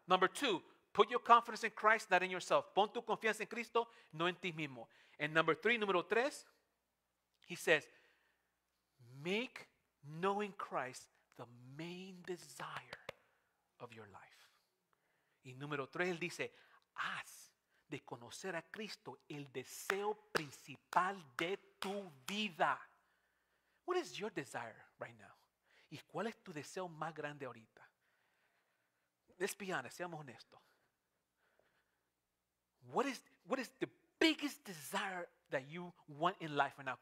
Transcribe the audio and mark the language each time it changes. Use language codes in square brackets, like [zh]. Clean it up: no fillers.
[en] Number two, put your confidence in Christ, not in yourself. [es] Pon tu confianza en Cristo, no en ti mismo. [en] And number three, [es] número tres, [en] he says, make knowing Christ the main desire of your life. [es] Y número tres, él dice, haz de conocer a Cristo el deseo principal de tu vida. [en] What is your desire right now? [es] ¿Y cuál es tu deseo más grande ahorita? [en] Let's be honest, [es] seamos honestos. [en] What is the biggest desire that you want in life right now?